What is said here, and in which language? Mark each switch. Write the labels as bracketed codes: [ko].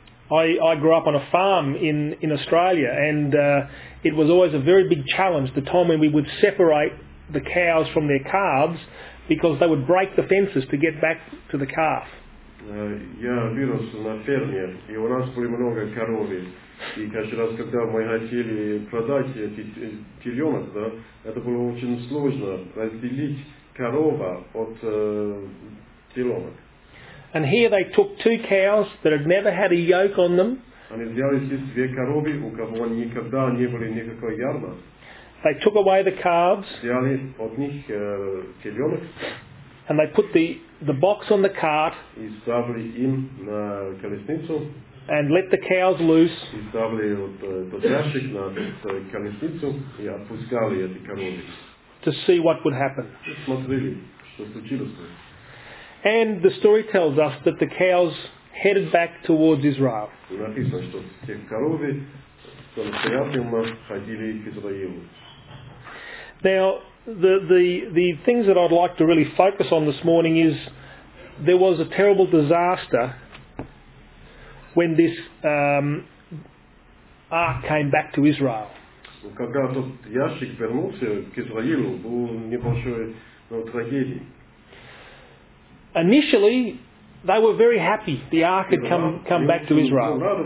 [en] I grew up on a farm in Australia, and it was always a very big challenge the time when we would separate the cows from their calves because they would break the fences to get back to the calf. [ru] Я вырос на ферме, и у нас было много коров. И каждый раз, когда мы хотели продать эти теленок, да, это было очень сложно разделить корова от теленок. [en] And here they took two cows that had never had a yoke on them. [ru] Они взяли здесь две коровы, у кого никогда не было никакой ярма. [en] They took away the calves. [ru] Взяли от них теленок. [en] And they put the box on the cart. [ru] И ставили им на колесницу. [en] And let the cows loose. [ru] И ставили тот ящик на колесницу и отпускали эти коровы. [en] To see what would happen. [ru] Смотрели, что случилось. [en] And the story tells us that the cows headed back towards Israel. [ru] Написано, что те коровы самостоятельно ходили к Израилю. [en] Now, the things that I'd like to really focus on this morning is there was a terrible disaster when this ark came back to Israel. [ru] Когда тот ящик вернулся к Израилю, был небольшой трагедий. [en] Initially, they were very happy the ark had come back to Israel.